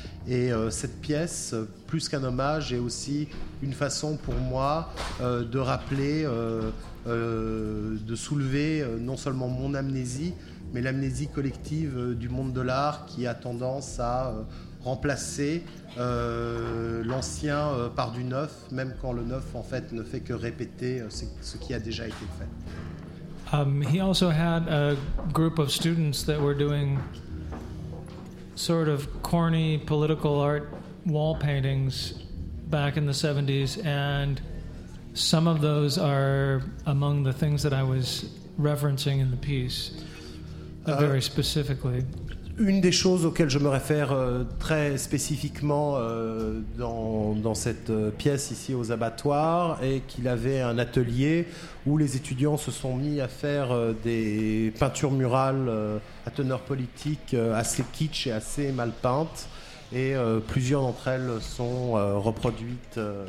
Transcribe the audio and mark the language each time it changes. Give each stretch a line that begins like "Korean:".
French: Et cette pièce, plus qu'un hommage, est aussi une façon pour moi de rappeler, de soulever non seulement mon amnésie, mais l'amnésie collective du monde de l'art qui a tendance à remplacer l'ancien par du neuf, même quand le neuf en fait ne fait que répéter ce qui a déjà été fait.
English: He also had a group of students that were doing sort of corny political art wall paintings back in the 70s, and some of those are among the things that I was referencing in the piece, very specifically.
French: Une des choses auxquelles je me réfère très spécifiquement dans cette pièce ici aux abattoirs est qu'il avait un atelier où les étudiants se sont mis à faire des peintures murales à teneur politique assez kitsch et assez mal peintes, et plusieurs d'entre elles sont reproduites